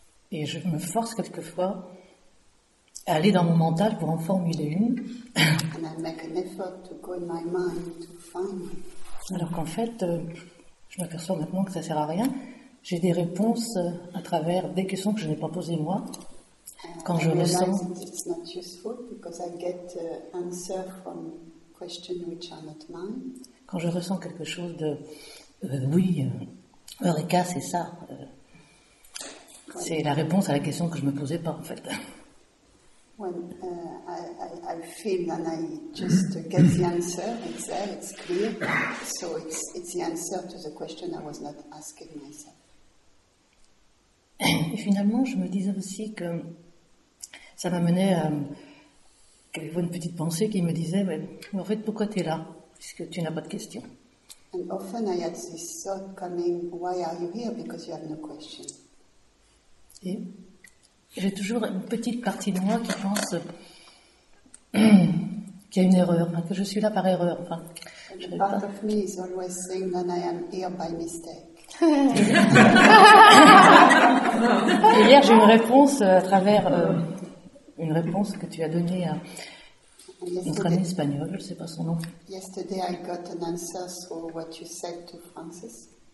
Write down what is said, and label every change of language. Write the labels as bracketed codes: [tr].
[fr] Et je me force quelquefois à aller dans mon mental pour en formuler une. [en] And I make an effort to go in my mind to find. [fr] Alors qu'en fait, je m'aperçois maintenant que ça sert à rien. J'ai des réponses à travers des questions que je n'ai pas posées moi. Quand je ressens. [en] It's not useful because I get answers from questions which are not mine. [fr] Quand je ressens quelque chose de oui. Eureka, c'est ça. C'est la réponse à la question que je me posais pas, en fait. [en] When I feel and I just get the answer, it's there, it's clear. So it's the answer to the question I was not asking myself. [fr] Et finalement, je me disais aussi que ça m'amenait à quelquefois une petite pensée qui me disait, mais en fait, pourquoi tu es là, puisque tu n'as pas de questions. [en] And often I had this thought coming, why are you here? Because you have no question. [fr] Et j'ai toujours une petite partie de moi qui pense qu'il y a une erreur, que je suis là par erreur. Enfin, je part pas. [en] Of me is always saying that I am here by mistake. [fr] Hier, j'ai une réponse à travers une réponse que tu as donnée à notre ami espagnol, je ne sais pas son nom. [en] Yesterday, I got an answer for what you said to Francis.